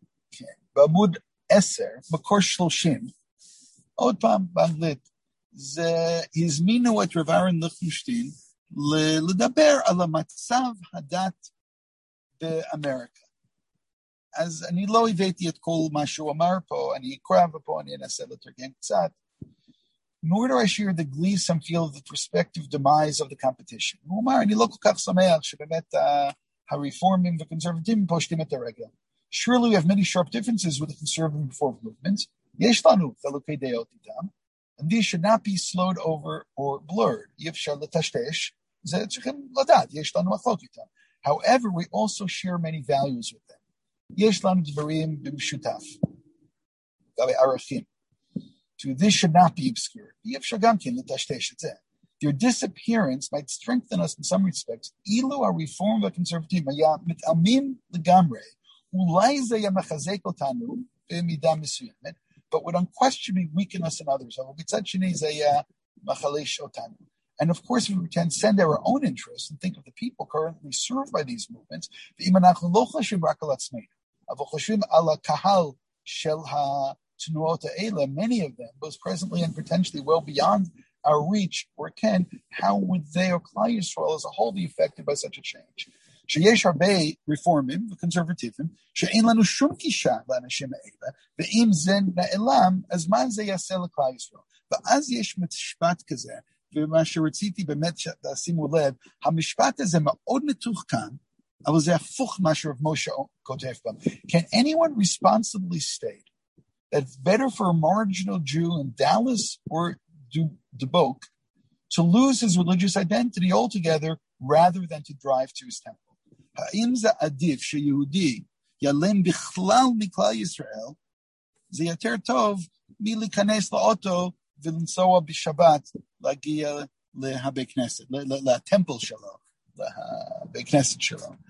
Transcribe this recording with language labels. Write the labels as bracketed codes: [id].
[he] כן, בעמוד 10, מקור 30. עוד פעם באנגלית, זה הזמינו את רב אהרן ליכטנשטיין לדבר על המצב הדת באמריקה. אז אני לא הבאתי את כל מה שהוא אמר פה, אני אקרא ופה אני אנסה לתרגם קצת. [en] Nor do I share the glee some feel of the prospective demise of the competition. [he] הוא אמר, אני לא כל כך שמח שבאמת הרפורמים והקונסרבטים פושטים את הרגל. [en] Surely we have many sharp differences with the conservative reform movements. [he] יש לנו חילוקי דעות איתם. [en] And these should not be slowed over or blurred. [he] אי אפשר לטשטש. זה צריכים לדעת, יש לנו מחלוק איתם. [en] However, we also share many values with them. [he] יש לנו דברים במשותף. גבי ערכים. [en] So this should not be obscured. [he] אי אפשר גם כן לטשטש את זה. [en] Their disappearance might strengthen us in some respects. [he] אילו הרפורם והקונסרבטים היה מתאמים לגמרי, אולי זה היה מחזק אותנו במידה מסוימת, [en] but would unquestionably weaken us in others. [he] אבל בצד שני זה היה מחליש אותנו. [en] And of course, if we transcend our own interests and think of the people currently served by these movements, [he] ואם אנחנו לא חושבים רק על עצמנו, אבל חושבים על הקהל של התנועות האלה, [en] many of them, both presently and potentially well beyond our reach or ken, how would they or Klal Yisrael as a whole be affected by such a change? [he] שיש הרבה רפורמים וקונסרבטיבים שאין לנו שום קישה לאנשים האלה, ואם זה נעלם, אז מה זה יעשה לכלל ישראל? ואז יש משפט כזה, ומה שרציתי באמת שתשימו לב, המשפט הזה מאוד מתוחכם, אבל זה הפוך מה שרב משה כותב בו. [en] Can anyone responsibly state that it's better for a marginal Jew in Dallas or Dubuque to lose his religious identity altogether rather than to drive to his temple? [he] האם זה עדיף שיהודי ילם בכלל מכלל ישראל, זה יותר טוב מלהיכנס לאוטו ולנסוע בשבת להגיע להבית כנסת, לטמפל שלו, להבית כנסת שלו.